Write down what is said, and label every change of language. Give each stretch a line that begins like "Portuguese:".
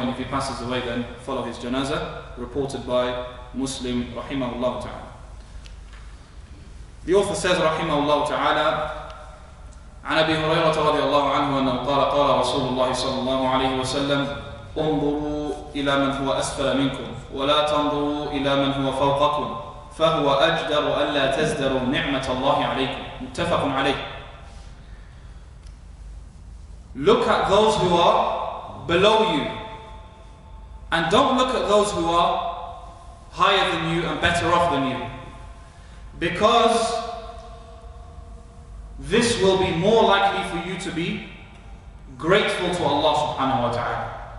English: And if he passes away, then follow his janazah. Reported by Muslim,
Arabic: رَحِمَهُ اللَّهُ تَعَالَى.
English: The author says,
Arabic: رَحِمَهُ اللَّهُ تَعَالَى, عَنْ أَبِي هُرَيْرَةَ رَضِيَ اللَّهُ عَنْهُ أَنَّهُ قَالَ قَالَ رَسُولُ اللَّهِ صَلَّى اللَّهُ عَلَيْهِ وَسَلَّمَ, انظروا إلى من هو أسفل منكم ولا تنظروا إلى من هو فوقكم. فهو أجدر ألا تزدروا نعمة الله عليكم. متفق عليه.
English: Look at those who are below you, and don't look at those who are higher than you and better off than you, because this will be more likely for you to be grateful to Allah subhanahu wa ta'ala.